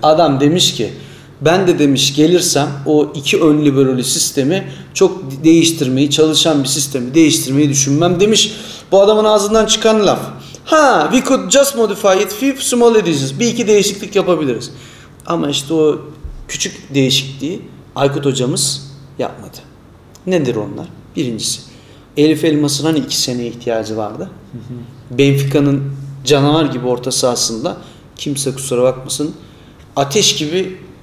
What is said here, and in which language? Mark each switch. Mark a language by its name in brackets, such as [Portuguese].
[Turkish] Adam demiş ki ben de demiş gelirsem o iki ön liberoli sistemi çok değiştirmeyi, çalışan bir sistemi değiştirmeyi düşünmem demiş. Bu adamın ağzından çıkan laf. [English] Ha, we could just modify it few small additions. [Turkish] Bir iki değişiklik yapabiliriz. Ama işte o küçük değişikliği Aykut hocamız yapmadı. Nedir onlar? Birincisi, Elif Elmas'ın hani iki seneye ihtiyacı vardı. Benfica'nın canavar gibi orta sahasında kimse kusura bakmasın ateş gibi